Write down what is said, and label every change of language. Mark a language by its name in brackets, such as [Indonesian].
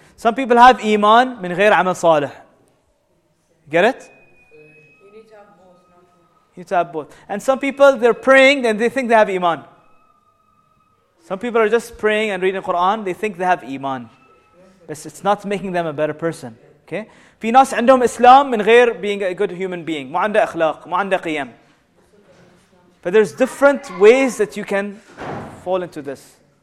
[English] Some people have iman [Arabic] من غير عمل صالح. [English] Get it? You need to have both. And some people, they're praying and they think they have iman. Some people are just praying and reading Quran. They think they have iman. But it's not making them a better person. Okay? [Arabic] في ناس عندهم إسلام من غير [English] being a good human being. [Arabic] ما عنده أخلاق. ما عنده قيم. [English] But there's different ways that you can fall into this.